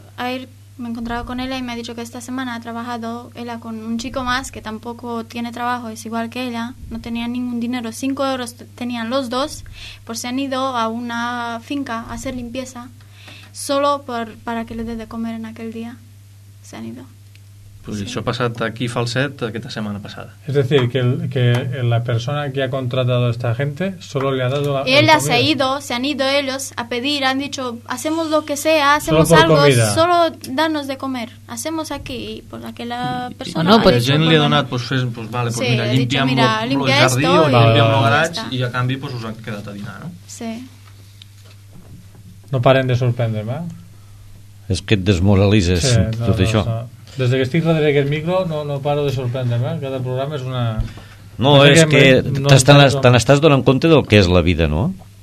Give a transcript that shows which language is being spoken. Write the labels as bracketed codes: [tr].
[es] Ayer me he encontrado con ella y me ha dicho que esta semana ha trabajado ella con un chico más que tampoco tiene trabajo, es igual que ella, no tenía ningún dinero, 5 euros tenían los dos, pues se han ido a una finca a hacer limpieza. Solo para que le dé de comer en aquel día. Se han ido. Pues sí. [ca] Això ha passat aquí Falset aquesta setmana passada. [es] Es decir, que la persona que ha contratado a esta gente solo le ha dado la comida. Ella se ha ido, se han ido ellos a pedir, han dicho, hacemos lo que sea, hacemos solo algo, comida. Solo danos de comer. Hacemos aquí, por la que la persona... [ca] No, pues gent li ha donat, pues, fes, pues vale, pues sí, mira, limpiem el [es] limpia [ca] jardí [es] esto, [ca] o limpiem el garatge i a canvi pues, us han quedat a dinar, no? Sí. No paren de sorprendre'm, eh? És que et desmoralises, sí, no, tot això. No. Des que estic darrere aquest micro no paro de sorprendre'm, eh? Cada programa és una... No, no sé, és que no te n'estàs donant compte del que és la vida, no?